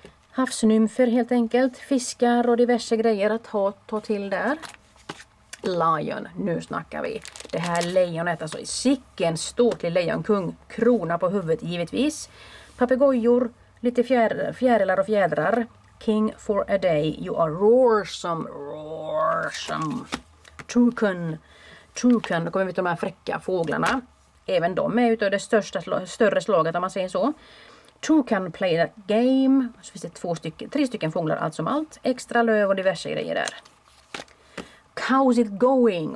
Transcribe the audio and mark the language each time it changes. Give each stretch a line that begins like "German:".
Swedish: Havsnymfer helt enkelt. Fiskar och diverse grejer att ta till där. Lion. Nu snackar vi. det här lejonet, alltså sicken ståtlig lejonkung, krona på huvudet givetvis. Papegojor, lite fjärilar och fjädrar.
English: King for a day, you are roarsome, roarsome.
Swedish: Toucan, toucan, då kommer vi till de här fräcka fåglarna. Även de är utav det största, större slaget om man säger så. Toucan play that game, så finns det tre stycken fåglar allt som allt. Extra löv och diverse grejer där. How's it going?